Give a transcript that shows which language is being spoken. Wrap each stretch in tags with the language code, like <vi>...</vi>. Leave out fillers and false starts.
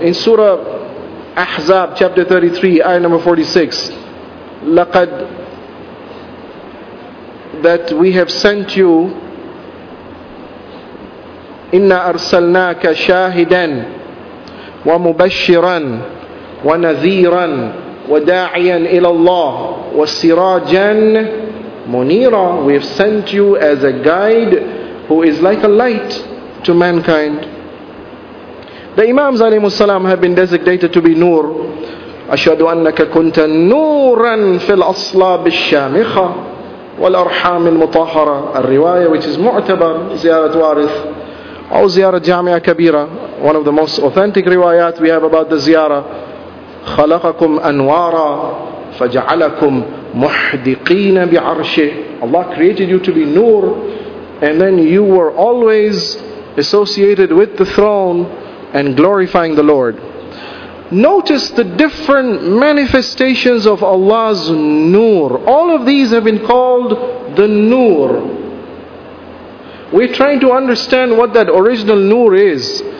<en>In Surah Ahzab chapter 33, ayah number 46, لقد, that we have sent you,</en> <ar>إنا أرسلناك شاهدا ومبشرا ونذيرا وداعيا إلى الله وسراجا منيرا.</ar> <en>We have sent you as a guide who is like a light to mankind. The Imams</en> <ar>عليهم السلام</ar> <en>have been designated to be Nur.</en> <ar>أشهد أنك كنت نورا في الأصلاب الشامخة والأرحام المطهرة.</ar> <en>الرواية which is معتبر,</en> <ar>زيارة وارث أو زيارة جامعة كبيرة,</ar> <en>one of the most authentic riwayat we have about the زيارة.</en> <ar>خلقكم أنوارا فجعلكم محدقين بعرشه.</ar> <en>Allah created you to be Nur, and then you were always associated with the throne and glorifying the Lord. Notice the different manifestations of Allah's nur. All of these have been called the nur. We're trying to understand what that original nur is.</en>